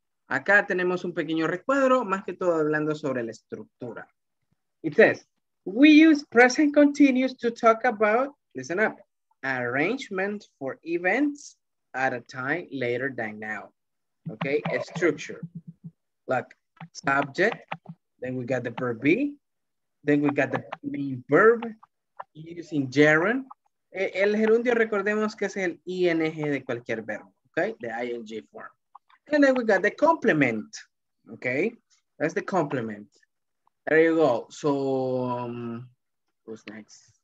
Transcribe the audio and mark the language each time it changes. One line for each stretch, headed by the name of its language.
Spanish: Acá tenemos un pequeño recuadro, más que todo hablando sobre la estructura.
English: It says, we use present continuous to talk about, listen up, arrangement for events at a time later than now. Okay, a structure. Like subject, then we got the verb be, then we got the main verb, using gerund.
Spanish: El gerundio, recordemos que es el ing de cualquier verbo, okay?
English: The ing form. And then we got the complement, okay? That's the complement. There you go. So, who's next?